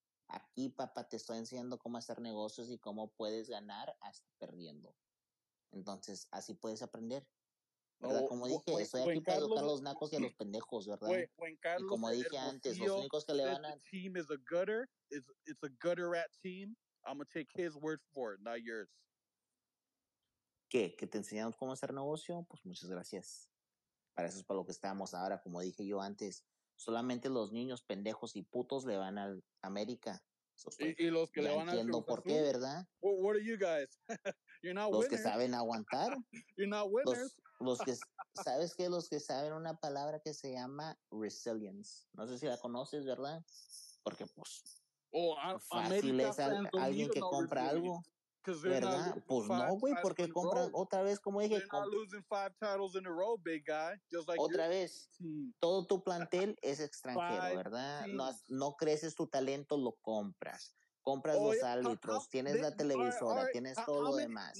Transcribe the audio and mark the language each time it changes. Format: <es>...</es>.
<es>Aquí, papá, te estoy enseñando cómo hacer negocios y cómo puedes ganar hasta perdiendo. Entonces, así puedes aprender. ¿Verdad? Como dije, estoy aquí para educar a los nacos y a los pendejos, ¿verdad? Carlos, y como dije antes, los únicos que le van a...</es> <en>Team is a gutter, it's a gutter rat team. I'm going to take his word for it, not yours.</en> <es>¿Qué? ¿Que te enseñamos cómo hacer negocio? Pues muchas gracias. Para eso es para lo que estamos ahora. Como dije yo antes, solamente los niños pendejos y putos le van al América. Y los que le van a... entiendo por qué, ¿verdad?</es> <en>What are you guys? You're not</en> <es>los</es> <en>winners.</en> <es>Que saben aguantar.</es> <en>You're not winners.</en> <es>Los que, ¿sabes qué? Los que saben una palabra que se llama resilience. No sé si la conoces, ¿verdad? Porque, pues, fácil es alguien que compra algo, ¿verdad? Pues</es> <en>five,</en> <es>no, güey, porque compra otra vez, como dije.</es> <en>They're not losing five titles in a row, big guy. Just like</en> <es>otra vez, todo tu plantel es extranjero, ¿verdad? No creces tu talento, lo compras. Compras los árbitros, tienes la televisora, all right, tienes todo lo demás.</es>